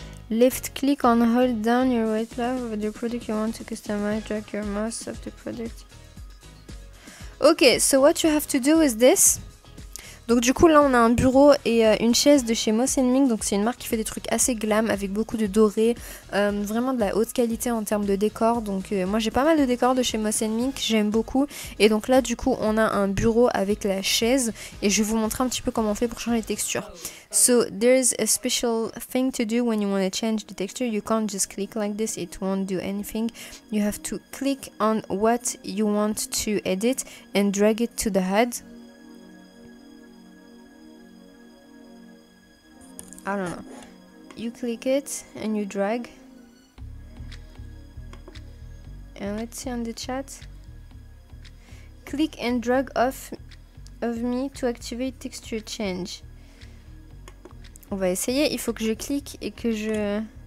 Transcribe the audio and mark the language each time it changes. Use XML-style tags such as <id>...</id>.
<en>Left click on hold down your white glove over the product you want to customize. Drag your mouse off the product. Okay, so what you have to do is this.</en> <fr>Donc du coup là on a un bureau et une chaise de chez moss&mink. Donc c'est une marque qui fait des trucs assez glam avec beaucoup de doré, vraiment de la haute qualité en termes de décor. Donc moi j'ai pas mal de décors de chez moss&mink, j'aime beaucoup. Et donc là du coup on a un bureau avec la chaise et je vais vous montrer un petit peu comment on fait pour changer les textures.</fr> <en>So there's a special thing to do when you want to change the texture. You can't just click like this, it won't do anything. You have to click on what you want to edit and drag it to the head. I don't know. You click it and you drag. And let's see on the chat. Click and drag off of me to activate texture change.</en> <fr>On va essayer. Il faut que je clique et que je...</fr>